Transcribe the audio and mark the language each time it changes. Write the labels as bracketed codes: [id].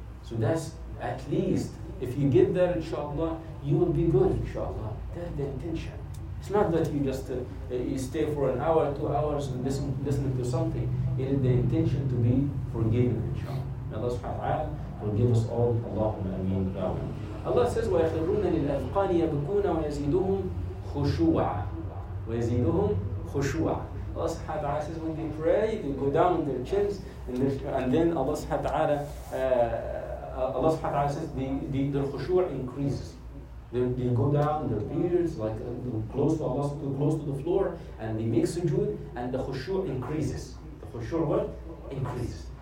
[en] So that's at least, if you get there, inshallah, you will be good, inshallah. That's the intention. It's not that you just you stay for an hour, 2 hours, and listen to something. It is the intention to be forgiven, inshallah. Allah subhanahu wa ta'ala will give us all. Allahumma ameen. [ar] Allah says, وَيَخِرُّونَ لِلْأَذْقَانِ يَبْكُونَ وَيَزِيدُهُمْ خُشُوعًا. وَيَزِيدُهُمْ خُشُوعًا. [en] Allah subhanahu wa ta'ala says, when they pray, they go down on their chins, and then Allah subhanahu wa ta'ala Allah subhanahu wa ta'ala says their khushu' increases. They go down their beards, like close to Allah, too close to the floor, and they make sujood, and the khushu' increases. The khushu' what? Increases.